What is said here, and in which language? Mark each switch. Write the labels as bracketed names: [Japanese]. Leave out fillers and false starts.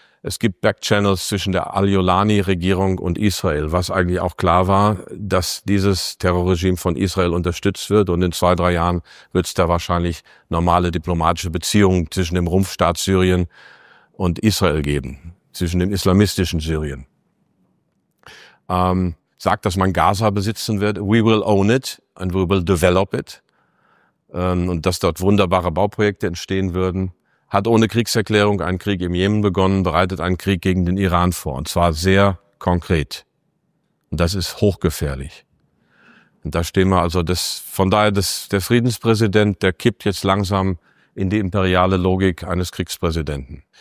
[German] Es gibt Backchannels zwischen der Al-Yolani-Regierung und Israel, was eigentlich auch klar war, dass dieses Terrorregime von Israel unterstützt wird. Und in 2-3 Jahren wird es da wahrscheinlich normale diplomatische Beziehungen zwischen dem Rumpfstaat Syrien und Israel geben, zwischen dem islamistischen Syrien. Sagt, dass man Gaza besitzen wird. [English] We will own it and we will develop it. [German] Und dass dort wunderbare Bauprojekte entstehen würden. Hat ohne Kriegserklärung einen Krieg im Jemen begonnen, bereitet einen Krieg gegen den Iran vor. Und zwar sehr konkret. Und das ist hochgefährlich. Und da stehen wir also, der Friedenspräsident, der kippt jetzt langsam in die imperiale Logik eines Kriegspräsidenten.